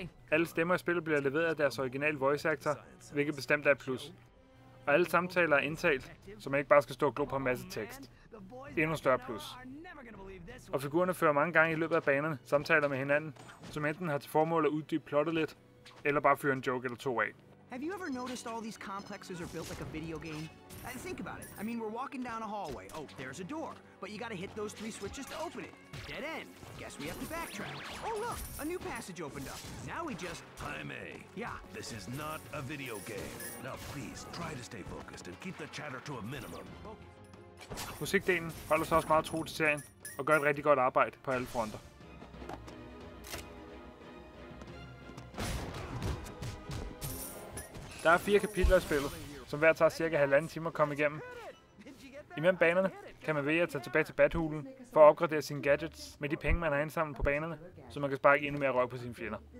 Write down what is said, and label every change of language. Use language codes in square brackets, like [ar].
[da] Alle stemmer i spillet bliver leveret af deres originale voice actor, hvilket bestemt er et plus. Og alle samtaler er indtalt, så man ikke bare skal stå og glo på en masse tekst. Endnu større plus. Og figurerne fører mange gange i løbet af banerne samtaler med hinanden, som enten har til formål at uddybe plottet lidt, eller bare fyre en joke eller to af. [en] Have you ever noticed all these complexes are built like a video game? Think about it. I mean, we're walking down a hallway. Oh, there's a door. But you gotta hit those three switches to open it. Dead end. Guess we have to backtrack. Oh, look, a new passage opened up. Now we just... Jaime. Yeah? This is not a video game. Now please, try to stay focused and keep the chatter to a minimum. Okay. [da] Musikdelen holder sig også meget tro til serien og gør et rigtig godt arbejde på alle fronter. Der er fire kapitler i spillet, som hver tager cirka halvanden time at komme igennem. Imellem banerne kan man vælge at tage tilbage til Bathulen for at opgradere sine gadgets med de penge, man har indsamlet på banerne, så man kan sparke endnu mere røg på sine fjender.